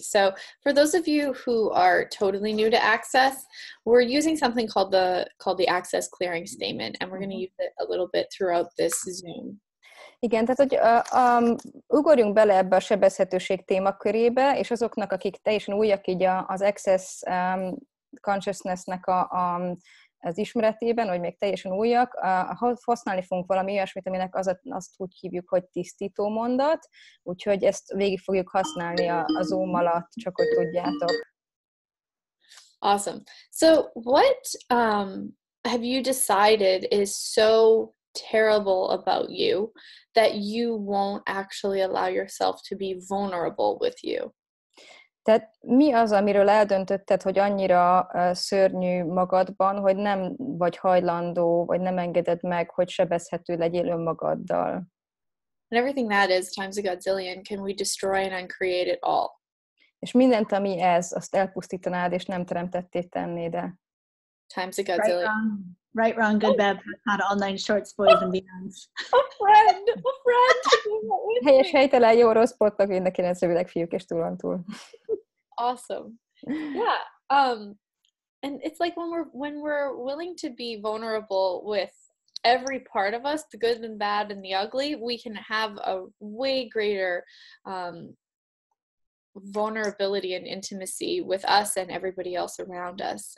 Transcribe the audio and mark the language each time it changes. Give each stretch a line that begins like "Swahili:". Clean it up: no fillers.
English: So, for those of you who are totally new to Access, we're using something called the Access Clearing Statement, and we're going to use it a little bit throughout this Zoom.
Hungarian: Igen, tehát hogy ugorjunk bele ebbe a sebezhetőség témakörébe, és azoknak, akik teljesen újak így az Access Consciousness-nek az ismeretében, vagy még teljesen újak, használni fogunk valami olyasmit, aminek azt úgy hívjuk, hogy tisztító mondat, úgyhogy ezt végig fogjuk használni a Zoom alatt, csak hogy tudjátok.
English: Awesome. So what have you decided is so terrible about you that you won't actually allow yourself to be vulnerable with you?
Hungarian: Tehát mi az, amiről eldöntötted, hogy annyira szörnyű magadban, hogy nem vagy hajlandó, vagy nem engeded meg, hogy sebezhető legyél önmagaddal?
English: And everything that is times a godzillion, can we destroy and uncreate it all?
Hungarian: És mindent, ami ez, azt elpusztítanád, és nem teremtetté tennéd el.
English: Times a godzillion. Right, wrong, good, bad, had online shorts, boys and beyonds. A friend!
Hungarian: Helyes, helytelen, jó, rossz, pottak, mind a kérdez, rövidek, fiúk, és túl van túl.
English: Awesome. Yeah. And it's like when we're willing to be vulnerable with every part of us, the good and bad and the ugly, we can have a way greater vulnerability and intimacy with us and everybody else around us.